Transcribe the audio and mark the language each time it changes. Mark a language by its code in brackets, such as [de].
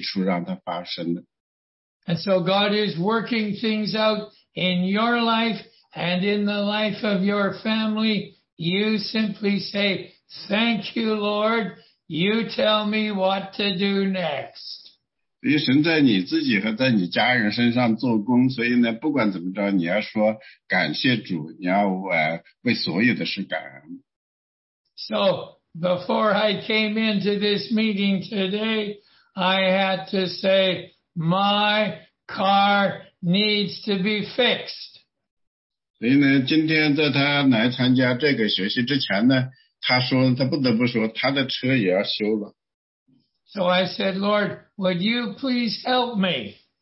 [zh] 所以呢，这里呢，他要讲这个例子打的比方，就是要得出结果，就是说，不管任何事发生了，你都要说感谢主。任何凡事感恩，你说不管这个是什么样的，我相信主都是为了我的益处让它发生的。 [en] And so God is working things out in your life and in the life of your family. You simply say, thank you, Lord. You tell me what to do next. [zh] 因为神在你自己和在你家人身上做工，所以呢，不管怎么着，你要说感谢主，你要为所有的事感恩。 [en] So, before I came into this meeting today, I had to say, my car needs to be fixed. [zh] 所以呢，今天在他来参加这个学习之前呢， 他说他不得不说，他的车也要修了。 [en] So I said, Lord, would you please help me?